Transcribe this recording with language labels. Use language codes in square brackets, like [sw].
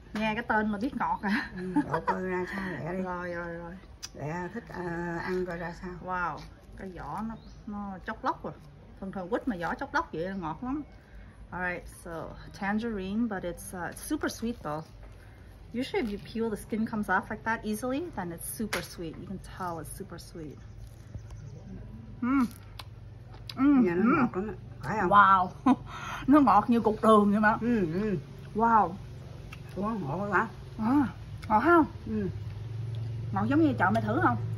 [vi] Nghe cái tên mà biết ngọt à. Đổ coi ra sao lẹ đi. Rồi. Lẹ thích ăn coi ra sao. Wow, cái vỏ nó chốc lóc rồi. Thường thường quýt mà vỏ chốc lóc vậy là ngọt lắm. [en] Alright, so tangerine, but it's super sweet though. Usually if you peel, the skin comes off like that easily, then it's super sweet. You can tell it's super sweet. [vi] Nhà nó ngọt lắm, phải không? Wow, nó ngọt như cục đường vậy mà. Wow. Quá ngọt quá. Ngọt không? Ngọt giống như chợ mày thử không?